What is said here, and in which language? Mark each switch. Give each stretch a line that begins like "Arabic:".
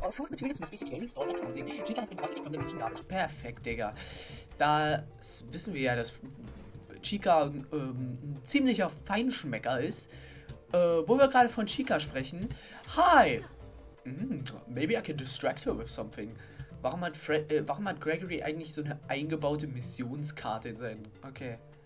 English: All food materials must be securely stored at closing. Chica has been profiting from the kitchen garbage.
German: Perfekt, Digga. Da wissen wir ja, dass Chica ein ziemlicher Feinschmecker ist. Wo wir gerade von Chica sprechen.
English: Hi! Maybe I can distract her with something.
German: Warum hat Gregory eigentlich so eine eingebaute Missionskarte in seinen... Okay.